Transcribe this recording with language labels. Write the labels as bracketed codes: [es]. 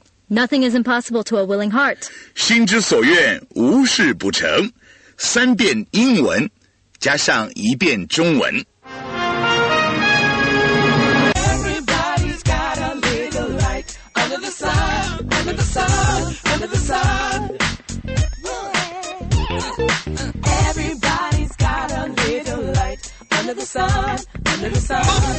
[en] Nothing is impossible to a willing heart. [zh] 心之所愿无事不成。三遍英文加上一遍中文。 [en] Everybody's got a little light under the sun, under the sun, under the sun. Everybody's got a little light under the sun.